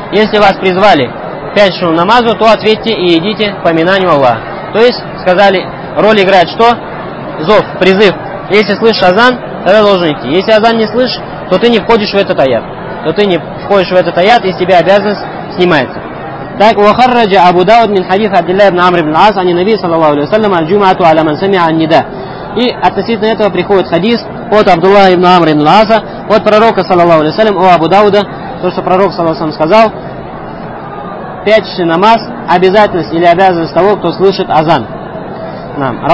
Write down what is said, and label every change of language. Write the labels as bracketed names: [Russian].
[Russian] Если вас призвали к пятничному намазу, то ответьте и идите к поминанию Аллаха. То есть, сказали, роль играет что? Зов, призыв. Если слышишь азан, тогда должен идти. Если азан не слышишь, то ты не входишь в этот аят. То ты не входишь в этот аят, и с тебя обязанность снимается. [Arabic] Так, وخرج أبو داود من حديث عبد الله بن عمرو بن العاص عن النبي صلى الله عليه وسلم الجمعة على من سمع النداء. [Russian] И относительно этого приходит хадис от Абдуллаха ибн Амр ибн Ааса, от пророка صلى الله عليه وسلم, о Абу Дауда, то, что пророк صلى الله عليه وسلم сказал, пятничный намаз — обязательность или обязанность того, кто слышит азан. Нам.